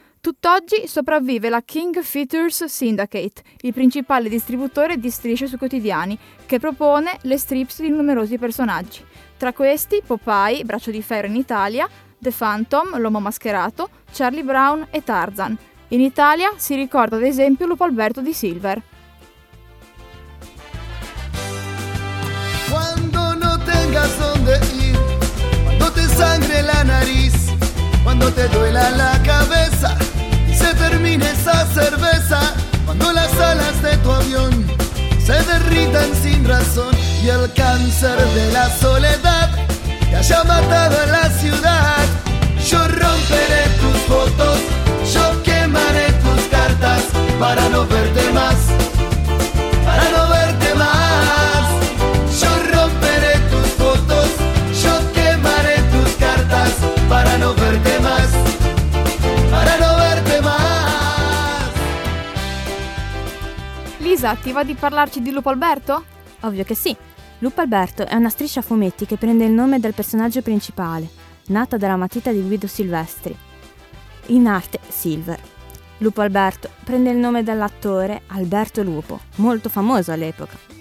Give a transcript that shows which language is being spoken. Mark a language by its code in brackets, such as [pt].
[it] Tutt'oggi sopravvive la King Features Syndicate, il principale distributore di strisce su quotidiani, che propone le strips di numerosi personaggi. Tra questi Popeye, Braccio di Ferro in Italia, The Phantom, l'uomo mascherato, Charlie Brown e Tarzan. In Italia si ricorda ad esempio Lupo Alberto di Silver. [es] Quando no tengas donde ir, quando te sangre la nariz, quando te duela la cabeza y se termina esa cerveza, quando las alas de tu avión se derritan sin razón y el cáncer de la soledad te haya matado a la ciudad, yo romperé tus fotos, yo quemaré tus cartas para no verte más, para no verte más. Yo romperé tus fotos, yo quemaré tus cartas para no verte más, para no verte más. [it] Lisa, ti va di parlarci di Lupo Alberto? Ovvio che sì. Lupo Alberto è una striscia fumetti che prende il nome dal personaggio principale, nata dalla matita di Guido Silvestri. In arte, Silver. Lupo Alberto prende il nome dall'attore Alberto Lupo, molto famoso all'epoca.